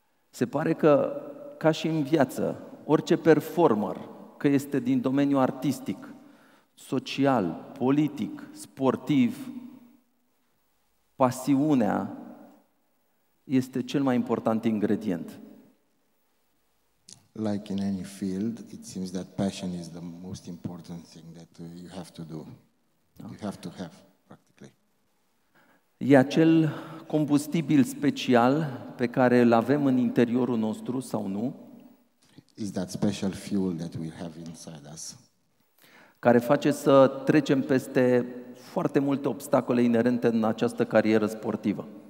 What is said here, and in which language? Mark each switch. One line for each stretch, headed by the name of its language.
Romanian: se pare că, ca și în viață, orice performer, că este din domeniul artistic, social, politic, sportiv, pasiunea este cel mai important ingredient.
English: Like in any field, it seems that passion is the most important thing that you have to do. You have to have, practically.
Romanian: E acel combustibil special pe care îl avem în interiorul nostru sau nu?
English: Is that special fuel that we have inside us?
Romanian: Care face să trecem peste foarte multe obstacole inerente în această carieră sportivă.